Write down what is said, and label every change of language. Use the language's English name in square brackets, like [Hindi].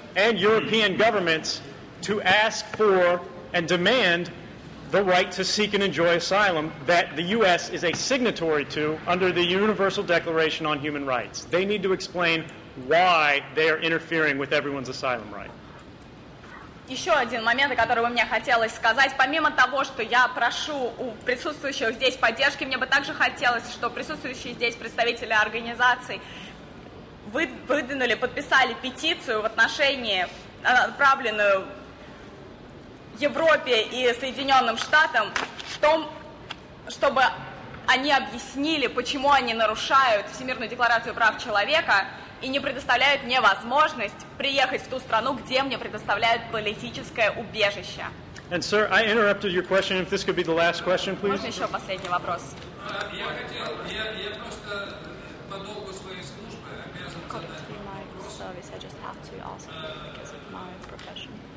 [English] and European governments to ask for and demand the right to seek and enjoy asylum that the U.S. is a signatory to under the Universal Declaration on Human Rights. They need to explain why they are interfering with everyone's asylum right. [Russian] Еще один момент, о котором мне хотелось сказать. Помимо того, что я прошу у присутствующих здесь поддержки, мне бы также хотелось, чтобы присутствующие здесь представители организаций выдвинули, подписали петицию в отношении, направленную Европе и Соединенным Штатам, в том, чтобы они объяснили, почему они нарушают Всемирную декларацию прав человека и не предоставляют мне возможность приехать в ту страну, где мне предоставляют политическое убежище. [English] And sir, I interrupted your question. If this could be the last question, please. [Russian] Можно еще последний вопрос? Я просто по долгу своей службы обязан задать вопрос. [English] Service, I just have to ask because of my profession.